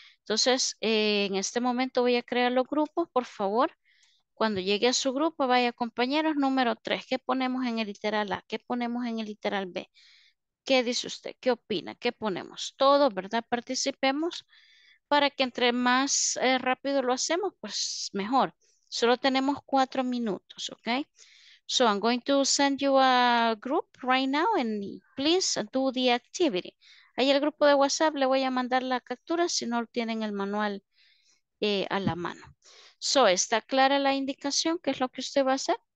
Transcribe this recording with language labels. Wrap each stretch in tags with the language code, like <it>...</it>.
<es>Entonces, en este momento voy a crear los grupos, por favor, cuando llegue a su grupo, vaya compañeros, número 3, ¿qué ponemos en el literal A? ¿Qué ponemos en el literal B? ¿Qué dice usted? ¿Qué opina? ¿Qué ponemos? Todo, ¿verdad? Participemos para que entre más rápido lo hacemos, pues mejor. Solo tenemos 4 minutos, ¿ok?</es> <en>So I'm going to send you a group right now and please do the activity.</en> <es>Ahí el grupo de WhatsApp le voy a mandar la captura si no tienen el manual a la mano. So, ¿está clara la indicación? ¿Qué es lo que usted va a hacer?</es>